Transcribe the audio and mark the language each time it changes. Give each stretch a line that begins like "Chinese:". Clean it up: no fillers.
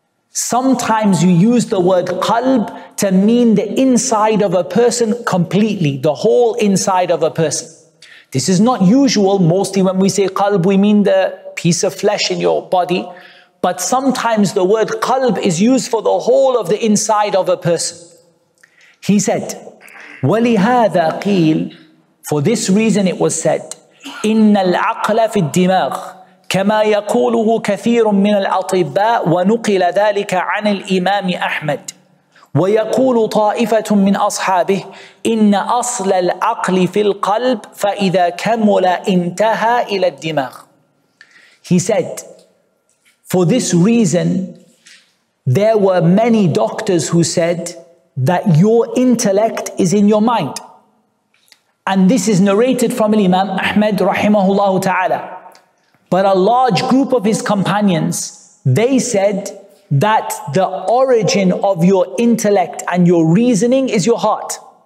English: Sometimes you use the word qalb to mean the inside of a person completely, the whole inside of a person. This is not usual. Mostly when we say qalb, we mean the piece of flesh in your body. But sometimes the word qalb is used for the whole of the inside of a person. He said,
Arabic: وَلِهَذَا قِيلْ.
English: For this reason it was said,
Arabic: إِنَّ الْعَقْلَ فِي الدِّمَاغِ كما يقوله كثير من الأطباء ونقل ذلك عن الإمام أحمد ويقول طائفة من أصحابه إن أصل العقل في القلب فإذا كمل انتهى إلى الدماغ.
English: He said, for this reason, there were many doctors who said that your intellect is in your mind. And this is narrated from Imam Ahmad rahimahullah ta'ala. But a large group of his companions, they said that the origin of your intellect and your reasoning is your heart.